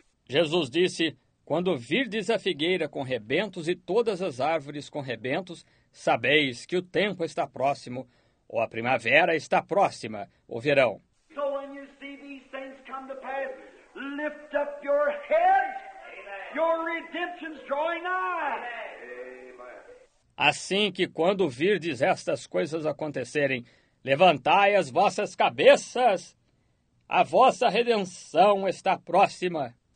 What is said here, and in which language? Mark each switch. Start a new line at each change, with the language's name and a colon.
Portuguese: Jesus disse, quando virdes a figueira com rebentos e todas as árvores com rebentos, sabeis que o tempo está próximo, ou a primavera está próxima, o verão.
English: So when you see these things come to pass, lift up your heads, your redemption's drawing nigh.
Portuguese: Assim que quando virdes estas coisas acontecerem, levantai as vossas cabeças, a vossa redenção está próxima.